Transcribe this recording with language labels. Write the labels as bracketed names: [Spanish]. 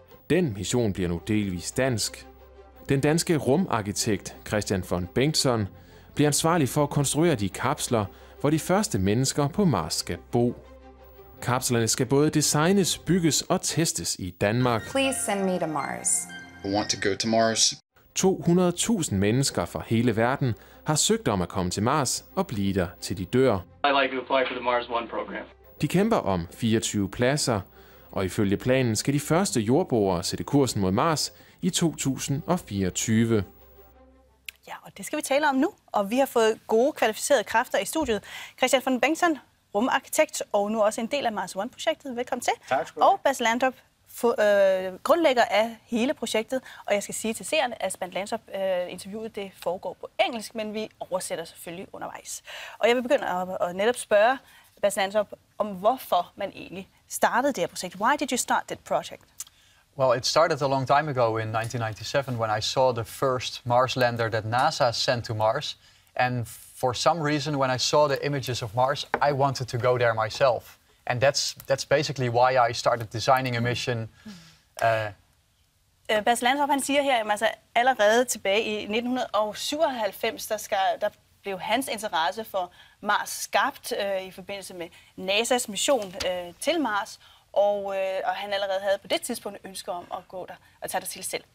[Danish] Den mission bliver nu delvis dansk. Den danske rumarkitekt Kristian von Bengtson bliver ansvarlig for at konstruere de kapsler, hvor de første mennesker på Mars skal bo. Kapslerne skal både designes, bygges og testes i Danmark. [English] Please send me to Mars. I want to go to Mars. [Danish] 200.000 mennesker fra hele verden har søgt om at komme til Mars og blive der til de dør. [English] I'd like to apply for the Mars One program. [Danish] De kæmper om 24 pladser, og ifølge planen skal de første jordboere sætte kursen mod Mars i 2024. Ja, og det skal vi tale om nu, og vi har fået gode kvalificerede kræfter i studiet. Kristian von Bengtson, rumarkitekt og nu også en del af Mars One-projektet. Velkommen til. Tak skal du have. Og Bas Lansdorp, grundlægger af hele projektet. Og jeg skal sige til seerne, at Bas Lansdorp interviewet det foregår på engelsk, men vi oversætter selvfølgelig undervejs. Og jeg vil begynde at netop spørge Bas Lansdorp om, hvorfor man egentlig startede det her projekt. [English] Why did you start that project? Well, it started a long time ago in 1997 when I saw the first Mars lander that NASA sent to Mars. And for some reason, when I saw the images of Mars, I wanted to go there myself. And that's basically why I started designing a mission. [Danish] Bas Lansdorp, han siger her, altså allerede tilbage i 1997, der blev hans interesse for Mars skabt i forbindelse med NASA's mission til Mars. Og han allerede havde på det tidspunkt ønske om at gå der og tage dig til selv.